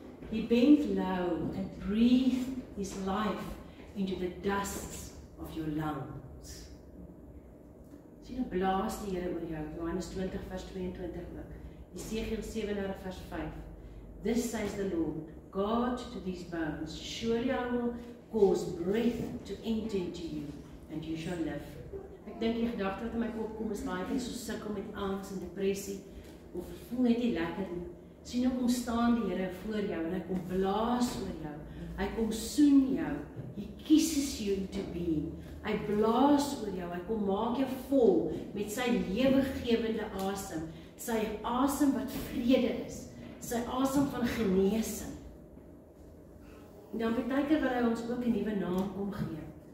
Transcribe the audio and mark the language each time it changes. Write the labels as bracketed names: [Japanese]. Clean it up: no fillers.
[English] He bent low and breathed His life into the dust of your lungs. [Afrikaans] Sien, dan blaas die Here oor jou, Johannes 20 vers 22 ook. Esegiel 7 vers 5. [English] This says the Lord, God to these bones, surely I will cause breath to enter into you, and you shall live. [Afrikaans] Ek dink die gedagte wat in my kop kom is, baie keer so sukkel met angst en depressie, of voel net nie lekker nie. Sien hoe kom staan die Here voor jou, en hy kom blaas oor jou, hy kom soen jou, [English] He kisses you to be, [Afrikaans] hy blaas oor jou, hy kom maak jou vol, met sy lewegewende asem, sy asem wat vrede is, sy asem van geneesing. En dan betekent waar hy ons ook een nieuwe naam omgeef.